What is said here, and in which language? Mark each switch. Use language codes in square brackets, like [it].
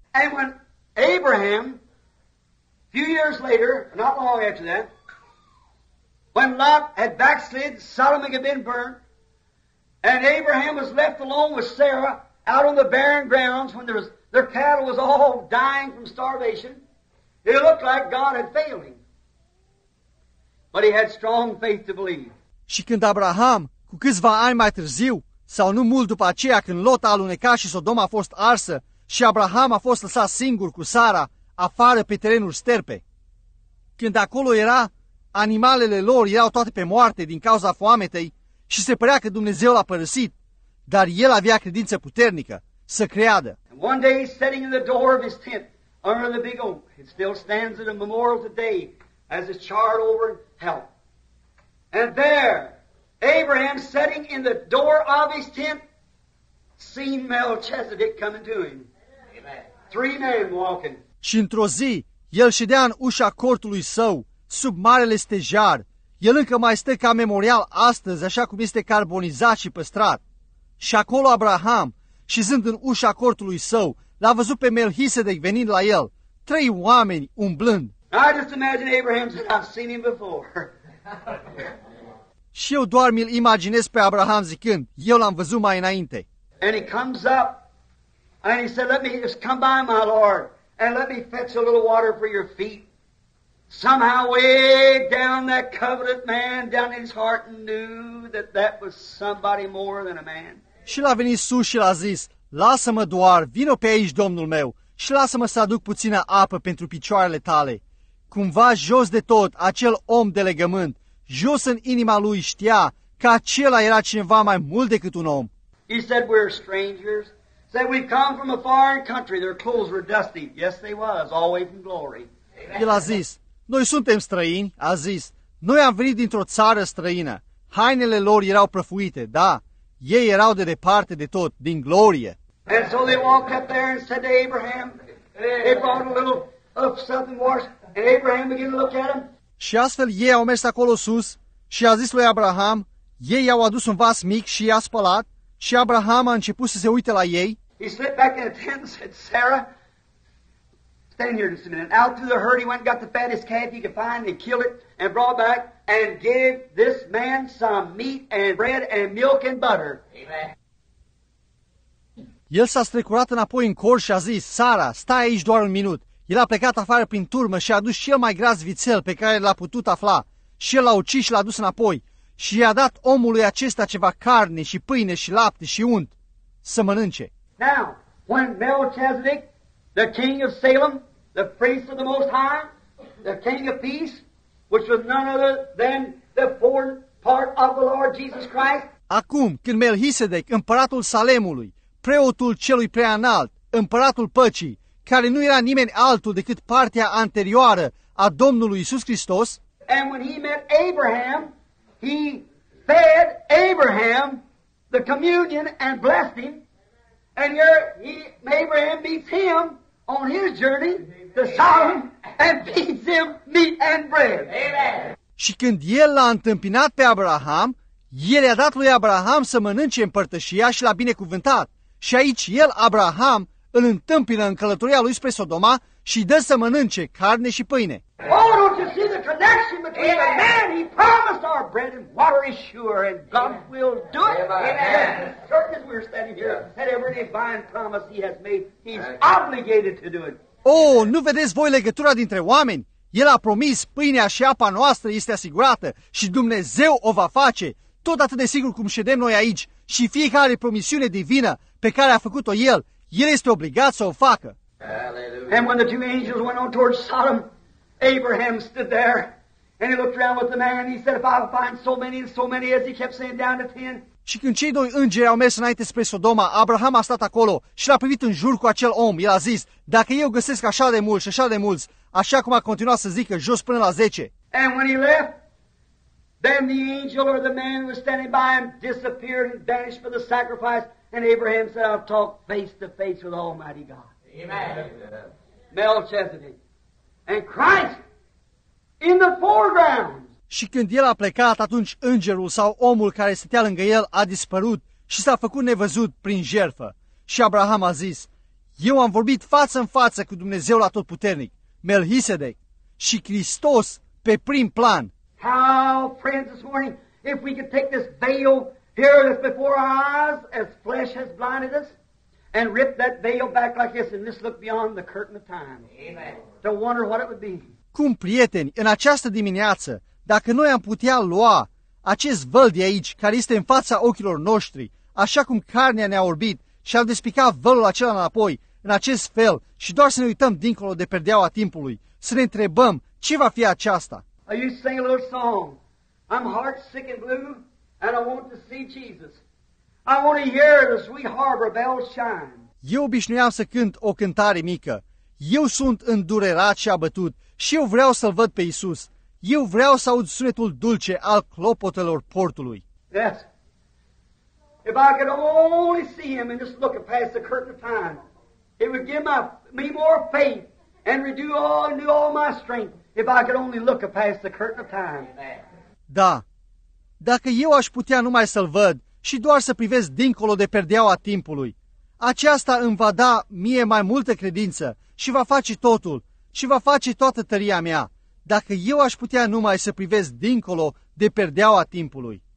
[en] And when Abraham, a few years later, not long after that, when Lot had backslid, Sodom had been burnt, and Abraham was left alone with Sarah out on the barren grounds when their cattle was all dying from starvation, it looked like God had failed him. But he had strong faith to believe. [ro] Și când Abraham, cu câțiva ani mai târziu, sau nu mult după aceea, când Lot a alunecat și Sodoma a fost arsă, și Abraham a fost lăsat singur cu Sara, afară pe terenul sterpe. Când acolo era, animalele lor erau toate pe moarte din cauza foametei și se părea că Dumnezeu l-a părăsit, dar el avea credință puternică să creadă. [en] One day, sitting in the door of his tent, under the big oak, it still stands at a memorial today as it's charred over in hell. And there, Abraham, sitting in the door of his tent, seen Melchizedek coming to him. Three men walking. [ro] Și într-o zi, el ședea în ușa cortului său, sub marele stejar. El încă mai stă ca memorial astăzi, așa cum este carbonizat și păstrat. Și acolo Abraham, șezând în ușa cortului său, l-a văzut pe Melchizedek venind la el, trei oameni umblând. [en] I just imagine Abraham said, I've seen him before. [ro] Și eu doar mi-l imaginez pe Abraham zicând, eu l-am văzut mai înainte. [en] And he comes up and he said, let me just come by my Lord and let me fetch a little water for your feet. Somehow way down that covenant man down in his heart knew that that was somebody more than a man. [ro] Și l-a venit sus și l-a zis, lasă-mă doar, vino pe aici, Domnul meu, și lasă-mă să aduc puțină apă pentru picioarele tale. Cumva jos de tot, acel om de legământ, jos în inima lui știa că acela era cineva mai mult decât un om. [en] He said, we're strangers. He said, we've come from a foreign country. Their clothes were dusty. Yes, they was, all way from glory. [ro] El a zis, noi suntem străini, a zis, noi am venit dintr-o țară străină. Hainele lor erau prăfuite, da. Ei erau de departe de tot, din glorie. [en] And so they walked up there and said to Abraham, they brought a little of something washed, and Abraham began to look at him. [ro] Și astfel ei au mers acolo sus și a zis lui Abraham, ei i-au adus un vas mic și i-a spălat și Abraham a început să se uite la ei. [en] He slipped back in the tent and said, Sarah, stand here just a minute. Out through the herd he went and got the fattest calf he could find and killed it and brought back and gave this man some meat and bread and milk and butter. Amen. [ro] El s-a strecurat înapoi în cor și a zis, Sara, stai aici doar un minut. El a plecat afară prin turmă și a adus cel mai gras vițel pe care l-a putut afla și el l-a ucis și l-a dus înapoi și i-a dat omului acesta ceva carne și pâine și lapte și unt să mănânce. [en] Now, when Melchizedek, the king of Salem, the priest of the Most High, the king of peace, which was none other than the foreign part of the Lord Jesus Christ. [ro] Acum, când Melchizedek, împăratul Salemului, preotul celui preanalt, împăratul păcii, care nu era nimeni altul decât partea anterioară a Domnului Iisus Hristos. [en] And when he met Abraham, he fed Abraham the communion and blessed him. And here Abraham meets him on his journey to Sodom and feeds him meat and bread. Amen. [ro] Și când el l-a întâmpinat pe Abraham, el i-a dat lui Abraham să mănânce împărtășia și l-a binecuvântat. Și aici el, Abraham, îl întâmpină în călătoria lui spre Sodoma și îi dă să mănânce carne și pâine. [en] Oh, don't you see the connection between the man? He promised our bread and water is sure, and God will do it. Amen. Certain as we're standing here, and every divine promise he has made, he's obligated to do it. [ro] Oh, nu vedeți voi legătura dintre oameni? El a promis, pâinea și apa noastră este asigurată și Dumnezeu o va face, tot atât de sigur cum ședem noi aici și fiecare promisiune divină pe care a făcut-o el, el este obligat să o facă. [en] And when the two angels went on towards Sodom, Abraham stood there and he looked around with the man and he said, if I find so many as he kept saying down to 10. [ro] Și când cei doi îngeri au mers înainte spre Sodoma, Abraham a stat acolo și l-a privit în jur cu acel om. El a zis, dacă eu găsesc așa de mulți și așa de mulți, așa cum a continuat să zică, jos până la 10. [en] And when he left, then the angel or the man who was standing by him disappeared and vanished for the sacrifice. And Abraham said, I'll talk face to face with Almighty God. Amen. Melchizedek. And Christ in the foreground. [ro] Și când el a plecat, atunci îngerul sau omul care stătea lângă el a dispărut și s-a făcut nevăzut prin jertfă. Și Abraham a zis, eu am vorbit față în față cu Dumnezeul Atotputernic, Melchisedec, și Hristos pe prim plan. [en] How, friends, this morning, if we could take this veil here that's before our eyes, as flesh has blinded us, and rip that veil back like this, and just look beyond the curtain of time. Amen. To wonder what it would be. [ro] Cum, prieteni, în această dimineață, dacă noi am putea lua acest văl de aici, care este în fața ochilor noștri, așa cum carnea ne-a orbit, și am despicat vălul acela înapoi, în acest fel, și doar să ne uităm dincolo de perdeaua timpului, să ne întrebăm ce va fi aceasta. [en] I used to sing a little song. I'm heart-sick and blue, and I want to see Jesus. I want to hear the sweet harbor bells shine. [ro] Eu obișnuiam să cânt o cântare mică. Eu sunt îndurerat și abătut și eu vreau să-L văd pe Iisus. Eu vreau să aud sunetul dulce al clopotelor portului. [en] Yes. If I could only see Him and just look past the curtain of time, it would give me more faith and renew all my strength. If I could only look past the curtain of time. [ro] Da, dacă eu aș putea numai să-L văd și doar să privesc dincolo de perdeaua timpului, aceasta îmi va da mie mai multă credință și va face totul și va face toată tăria mea, dacă eu aș putea numai să privesc dincolo de perdeaua timpului.